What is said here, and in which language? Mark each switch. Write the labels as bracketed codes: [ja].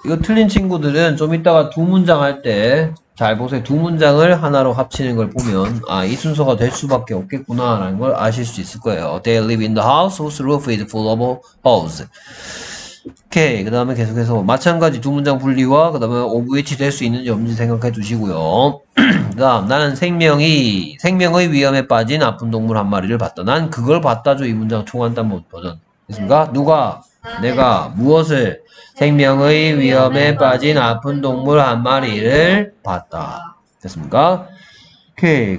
[ko] 이거 틀린 친구들은 좀 이따가 두 문장 할 때 잘 보세요. 두 문장을 하나로 합치는 걸 보면 아, 이 순서가 될 수밖에 없겠구나 라는 걸 아실 수 있을 거예요. [en] They live in the house whose roof is full of holes. [ko] 오케이. 그 다음에 계속해서 마찬가지 두 문장 분리와 그 다음에 of which 될 수 있는지 없는지 생각해 두시고요. 그 다음 나는 생명의 위험에 빠진 아픈 동물 한 마리를 봤다. 난 그걸 봤다죠. 이 문장 총 한 단 버전. 됐습니까? 누가? 내가 무엇을? 생명의 위험에 빠진 아픈 동물 한 마리를 봤다. 됐습니까? 오케이.